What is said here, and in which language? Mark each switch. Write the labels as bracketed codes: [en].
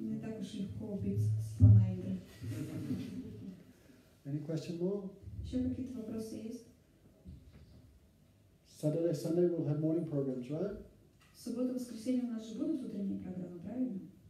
[ru] Не так уж легко убить слона Индра. [en] Any question more? [ru] Еще какие-то вопросы есть? [en] Saturday, Sunday we'll have morning programs, right? [ru] Суббота, воскресенье у нас же будут утренние программы, правильно?